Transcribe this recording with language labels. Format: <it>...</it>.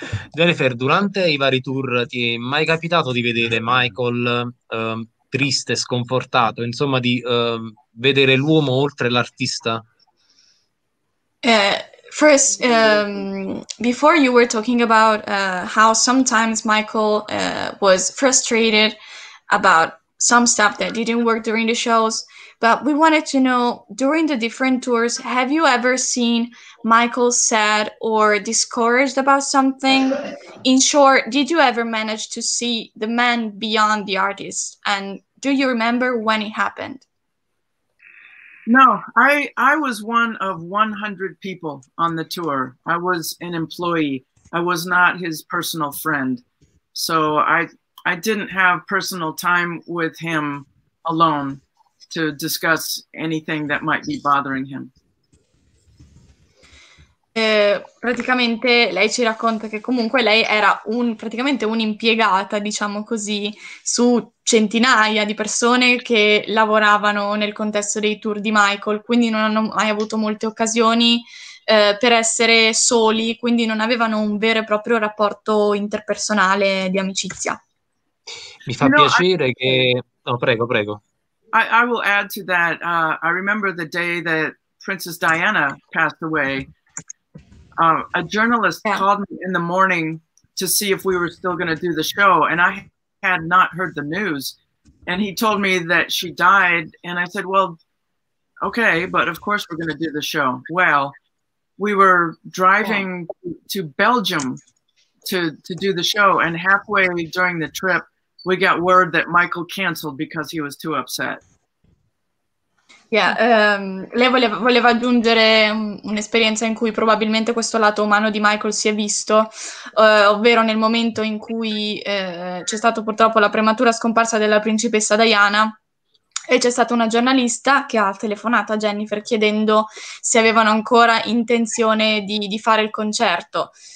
<it>Jennifer, durante i vari tour ti è mai capitato di vedere Michael triste, sconfortato, insomma di vedere l'uomo oltre l'artista?</it> <en>First, before you were talking about how sometimes Michael was frustrated about some stuff that didn't work during the shows, but we wanted to know, during the different tours, have you ever seen Michael sad or discouraged about something? In short, did you ever manage to see the man beyond the artist? And do you remember when it happened? No, I was one of 100 people on the tour. I was an employee. I was not his personal friend. So I didn't have personal time with him alone to discuss anything that might be bothering him.</en> <it>Praticamente lei ci racconta che comunque lei era praticamente un'impiegata, diciamo così, su centinaia di persone che lavoravano nel contesto dei tour di Michael, quindi non hanno mai avuto molte occasioni per essere soli, quindi non avevano un vero e proprio rapporto interpersonale di amicizia. Mi fa piacere che... No, prego, prego.</it> <en>I will add to that. I remember the day that Princess Diana passed away. A journalist called me in the morning to see if we were still going to do the show, and I had not heard the news. And he told me that she died, and I said, well, okay, but of course we're going to do the show. Well, we were driving to Belgium to do the show, and halfway during the trip, we got word that Michael canceled because he was too upset.</en> <it>Yeah, lei voleva aggiungere un'esperienza in cui probabilmente questo lato umano di Michael si è visto, ovvero nel momento in cui c'è stato purtroppo la prematura scomparsa della principessa Diana, e c'è stata una giornalista che ha telefonato a Jennifer chiedendo se avevano ancora intenzione di fare il concerto.</it>